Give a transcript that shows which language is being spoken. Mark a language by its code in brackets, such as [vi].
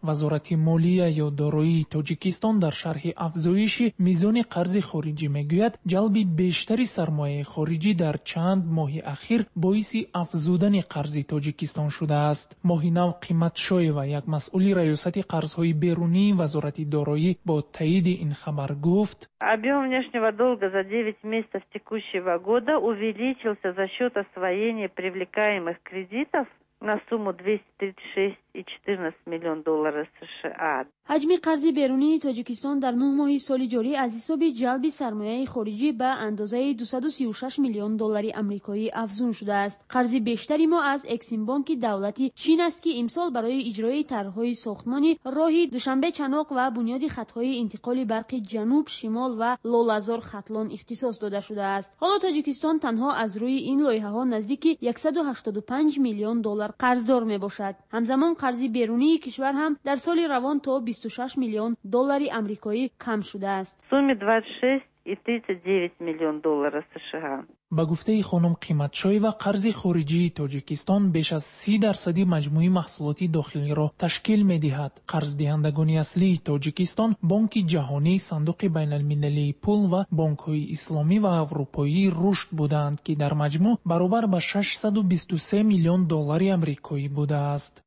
[fa] وزارت مالیه یا دارایی تاجیکستان در شرح افزایش میزان قرض خارجی می‌گوید جلب بیشتری سرمایه خارجی در چند ماه اخیر باعث افزودن قرض تاجیکستان شده است. ماه نو قیمت شوی و یک مسئول ریاست قرضهای بیرونی وزارت دارایی با تایید این خبر گفت [ru] объём внешнего долга за 9 месяцев текущего года увеличился за счёт освоения привлекаемых кредитов на сумму 236,14 миллион долларов США. [fa] حجم قرض بیرونی تاجیکستان در 9 ماه سال جاری از حساب جلب سرمایه خارجی به اندازه 236 میلیون دلاری آمریکایی افزون شده است. قرض بیشتری ما از اکسیم بانک دولتی چین است که امسال برای اجرای طرح‌های ساختمانی راه دوشنبه چناق و بنیاد خط‌های انتقال برق جنوب شمال و لالازار خطلان اختصاص داده شده است. حالا تاجیکستان تنها از روی این لایحه‌ها نزدیک 185 میلیون دلار قرضدار می‌باشد. همزمان قرض بیرونی کشور هم در سال روان تا 26 [tg] миллион доллари амрикои кам шудааст. [ru] Сумма 26 и 39 миллион доллара США. [fa] با گفته خانم قیمتشای و قرض خارجی تاجیکستان بیش از 30% مجموعی محصولات داخلی را تشکیل می‌دهد. قرض دهندگان اصلی تاجیکستان بانک جهانی، صندوق بین المللی پول و بانک‌های اسلامی و اروپایی رشد بودند که در مجموع برابر به 623 میلیون دلار آمریکایی بوده است.